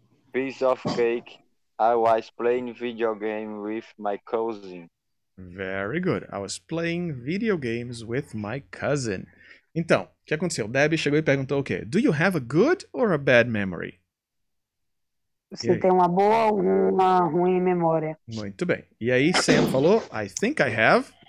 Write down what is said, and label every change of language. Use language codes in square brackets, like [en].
[en] Piece of cake. I was playing video game with my cousin. Very good. I was playing video games with my cousin. [pt] Então, o que aconteceu? Debbie chegou e perguntou o quê? [en] Do you have a good or a bad memory? [pt] Você tem uma boa ou uma ruim memória? Muito bem. E aí Sam falou, [en] I think I have